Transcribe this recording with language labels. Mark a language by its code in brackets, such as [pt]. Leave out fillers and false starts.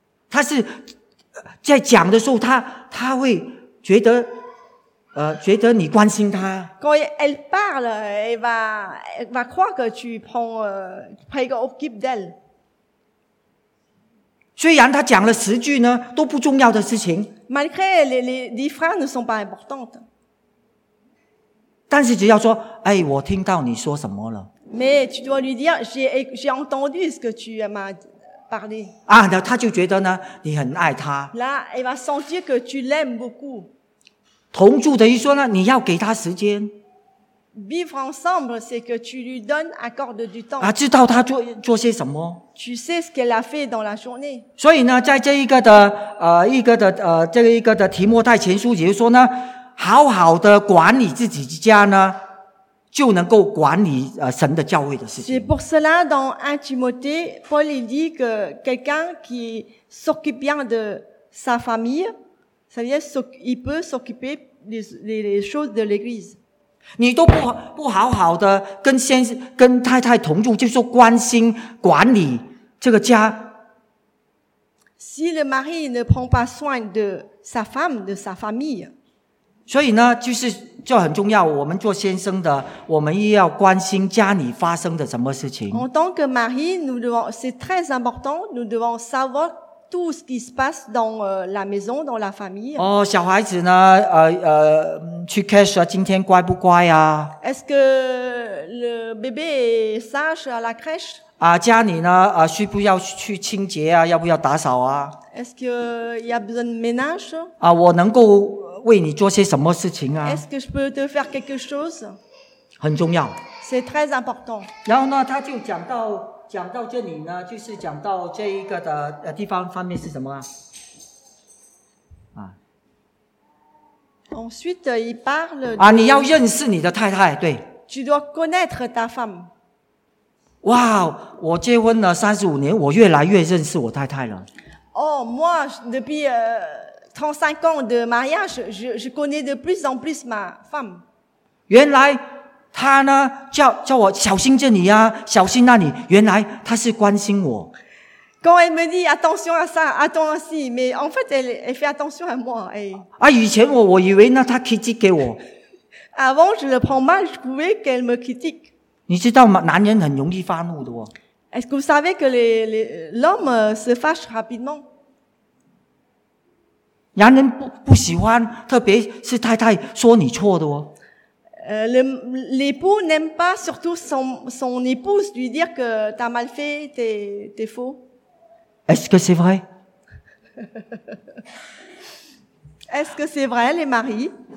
[zh] 她是在讲的时候，她会觉得。觉得你关心他。 [fr] Quand elle parle, elle va croire que tu préoccupes d'elle. [zh] 虽然他讲了十句呢，都不重要的事情。 [fr] Malgré les phrases ne sont pas importantes. [zh] 但是只要说，我听到你说什么了。 [fr] Mais tu dois lui dire, j'ai entendu ce que tu m'as parlé. [zh] 他就觉得呢，你很爱他。 [fr] Là, elle va sentir que tu l'aimes beaucoup. [zh] 同住的意思呢，你要给他时间。 [fr] Vivre ensemble, c'est que tu lui donnes accorde du temps. [zh] 知道他做些什么。 [fr] Tu sais ce qu'elle a fait dans la journée. [zh] 所以呢，在这一个的这个一个的提摩太前书，也就是说呢，好好的管理自己家呢，就能够管理神的教会的事情。 [fr] C'est pour cela dans 1 Timothée, Paul dit que quelqu'un qui s'occupe bien de sa famille,C'est-à-dire, il peut s'occuper des choses de l'église. [zh] 你都不好好的跟太太同住，就是关心管理这个家。 [fr] Si le mari ne prend pas soin de sa femme, de sa famille. [zh] 所以呢，就是就很重要。我们做先生的，我们也要关心家里发生的什么事情。 [fr] En tant que mari, nous devons, c'est très important, nous devons savoir tout ce qui se passe dans la maison, dans la famille. [zh] 哦，小孩子呢？去 crèche 今天乖不乖啊 [fr] ？Est-ce que le bébé est sage à la crèche？ [zh] 啊，家里呢？需不要去清洁啊？要不要打扫啊 [fr] ？Est-ce que y a besoin de ménage？ [zh] 啊，我能够为你做些什么事情啊 [fr] ？Est-ce que je peux te faire quelque chose？ [zh] 很重要。 [fr] C'est très important。 [zh] 然后呢，他就讲到这里呢，就是讲到这一个的地方方面是什么啊？啊。 [fr] Ensuite, il parle de... [zh] 啊，你要认识你的太太，对。 [fr] Tu dois connaître ta femme。 [zh] 哇、wow, ，我结婚了35年，我越来越认识我太太了。 [fr] Oh, moi, depuis 35 ans de mariage, je connais de plus en plus ma femme. [zh] 原来她呢叫我小心这里啊，小心那里。原来她是关心我。 [fr] Quand elle me dit attention à ça, attention à ci, mais en fait, elle fait attention à moi. 哎， [zh] 啊，以前我以为呢，她 critique 给我。 [fr] Avant, je le prends mal, je trouvais qu'elle me critique. [zh] 你知道吗？男人很容易发怒的哦。 [fr] Est-ce que vous savez que l'homme se fâche rapidement？ [zh] 男人不喜欢，特别是太太说你错的哦。 [fr] L'époux n'aime pas surtout son épouse lui dire que t'as mal fait, t'es faux。 Est-ce que c'est vrai？ Est-ce que c'est vrai les maris？